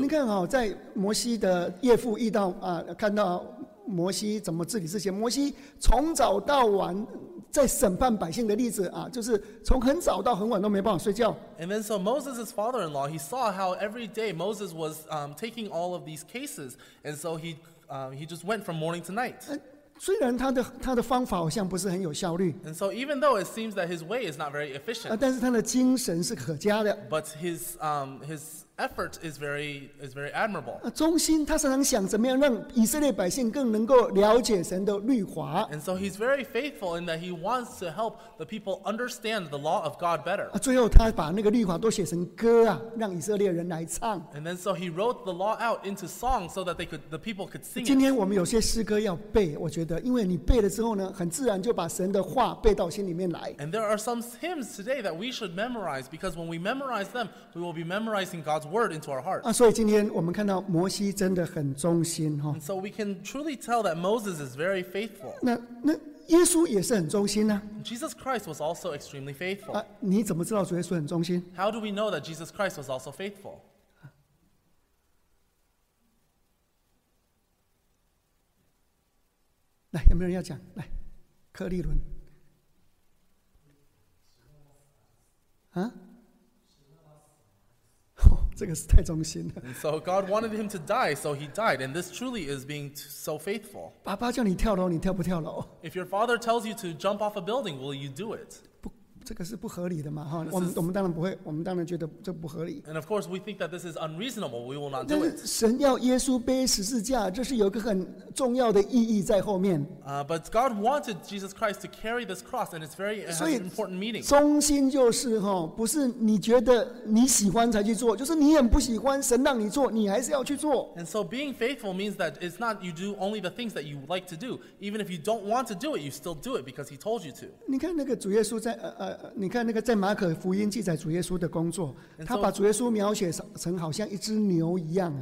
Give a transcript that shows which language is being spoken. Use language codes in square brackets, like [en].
[zh] 你看好在摩西的叶父遇到看到摩西怎么治理之前，摩西从早到晚在审判百姓的例子就是从很早到很晚都没办法睡觉。 [en] And then so Moses' father-in-law, he saw how every day Moses was taking all of these cases, and so he just went from morning to night. [zh] 虽然他的方法好像不是很有效率。 [en] And so even though it seems that his way is not very efficient. [zh] 但是他的精神是可嘉的。 [en] But his effort is very admirable. [zh] 中心，他常常想怎么样让以色列百姓更能够了解神的律法。 [en] And so he's very faithful in that he wants to help the people understand the law of God better. [zh] 最后他把那个律法都写成歌啊，让以色列人来唱。 [en] And then so he wrote the law out into song so that the people could sing. [zh] 今天我们有些诗歌要背，我觉得因为你背了之后呢，很自然就把神的话背到心里面来。 [en] And there are some hymns today that we should memorize because when we memorize them, we will be memorizing God. God's word into our heart. [zh] 所以今天我们看到摩西真的很忠心。 [en] And so we can truly tell that Moses is very faithful. [zh] 那耶稣也是很忠心啊。 [en] Jesus Christ was also extremely faithful. [zh] 你怎么知道主耶稣很忠心？ [en] How do we know that Jesus Christ was also faithful? [zh] 来，有没有人要讲？来，柯立伦。啊？这个是太忠心了。 [en] So God wanted him to die, so he died, and this truly is being so faithful. [zh] 爸爸叫你跳楼，你跳不跳楼 [en] ？If your father tells you to jump off a building, will you do it? [zh] 不，这个是不合理的嘛，哈。我们当然不会，我们当然觉得这不合理。 [en] And of course, we think that this is unreasonable. We will not do it. [zh] 神要耶稣背十字架，这是有个很重要的意义在后面。 [en] But God wanted Jesus Christ to carry this cross, and it's very an important meaning. [zh] 忠心就是哈，不是你觉得你喜欢才去做，就是你很不喜欢，神让你做，你还是要去做。 [en] And so being faithful means that it's not you do only the things that you like to do. Even if you don't want to do it, you still do it because He told you to. [zh] 你看那个主耶稣在你看那个在马可福音记载主耶稣的工作，他把主耶稣描写成好像一只牛一样。